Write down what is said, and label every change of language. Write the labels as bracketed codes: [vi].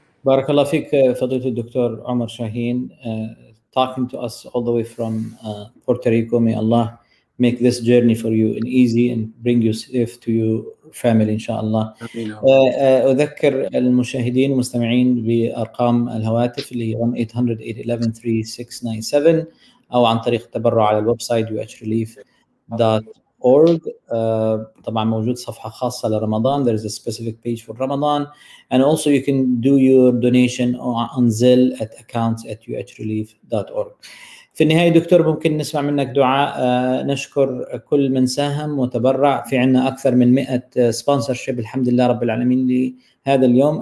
[ar] بارك الله فيك فضيلة الدكتور عمر شاهين، [en] talking to us all the way from Puerto Rico. May Allah make this journey for you and easy and bring you safe to your family, inshallah. [ar] أذكر المشاهدين المستمعين بأرقام الهواتف اللي 1-800-811-3697 أو عن طريق التبرع على الويب سايت uhrelief.org. طبعا موجود صفحة خاصة لرمضان. [en] There is a specific page for Ramadan. And also you can do your donation on Zelle at accounts@uhrelief.org. [ar] في النهاية دكتور ممكن نسمع منك دعاء. نشكر كل من ساهم وتبرع. في عنا أكثر من 100 سبونسرشيب الحمد لله رب العالمين لهذا اليوم.